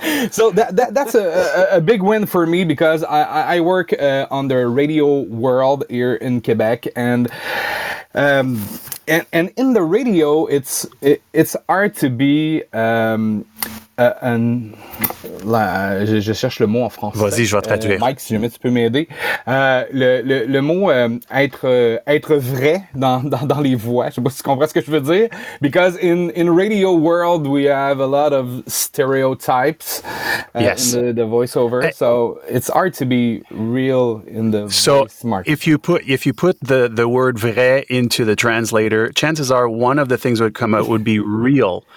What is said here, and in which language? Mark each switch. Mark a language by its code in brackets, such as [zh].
[en] So that's a big win for me, because I work on the radio world here in Quebec, and in the radio it's hard to be [fr] je cherche le mot en français. Vas-y, je vais traduire. Mike, si jamais tu peux m'aider. Le mot être vrai dans les voix. Je sais pas si tu comprends ce que je veux dire. [en] Because in radio world we have a lot of stereotypes. Yes. The voiceover. So it's hard to be real in the voice market. So if you put the word vrai into the translator, chances are one of the things that would come out would be real.